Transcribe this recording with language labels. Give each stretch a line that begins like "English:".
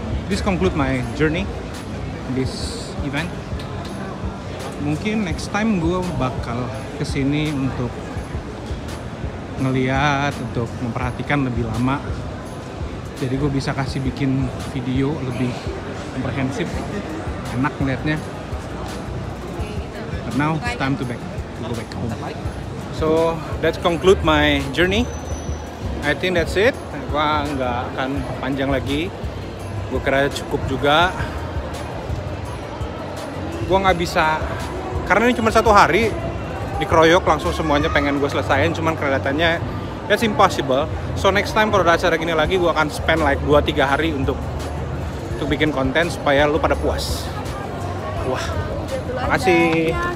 English: This conclude my journey this event.
Indonesian: Mungkin
English: next time
Indonesian: gue bakal kesini untuk ngelihat, untuk memperhatikan lebih lama. Jadi gue bisa kasih bikin video lebih komprehensif, enak ngeliatnya.
English: Now it's time to back to go back home. So that's conclude my journey. I think that's it.
Indonesian: Gua nggak akan panjang lagi. Gua kira cukup juga. Gua nggak bisa karena ini cuma satu hari dikeroyok langsung semuanya pengen gua selesaiin. Cuman kelihatannya
English: that's impossible.
Indonesian: So next time kalau ada acara gini lagi, gua akan
English: spend like 2-3
Indonesian: hari untuk bikin konten supaya lu pada puas. Wah. Makasih.